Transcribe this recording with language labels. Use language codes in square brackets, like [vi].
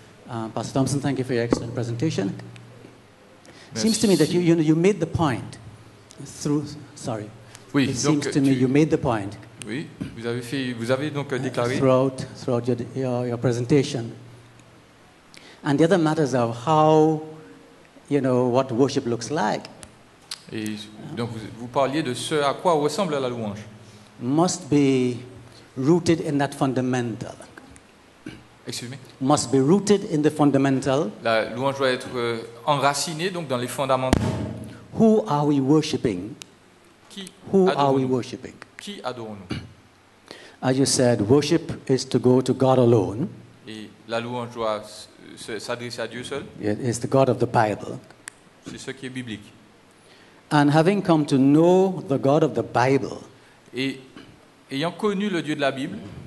[en] Pastor Thompson, thank you for your excellent presentation. Seems to me that you made the point through... Sorry. [fr] Oui, [en] it seems to me you made the point. [fr] Oui, vous avez donc déclaré... [en] Throughout your presentation. And the other matters of how, you know, what worship looks like. [fr] Et donc vous parliez de ce à quoi ressemble la louange. [en] Must be rooted in that fundamental. Excuse me. Must be rooted in the fundamental. [fr] La louange doit être enracinée donc dans les fondamentaux. [en] Who are we worshiping? [fr] Qui [en] Who are we worshiping? [fr] Qui adorons-nous? [en] As you said, worship is to go to God alone. [fr] Et la louange doit s'adresser à Dieu seul. [en] It is the God of the Bible. [fr] C'est ce qui est biblique. [en] And having come to know the God of the Bible, [fr] et ayant connu le Dieu de la Bible,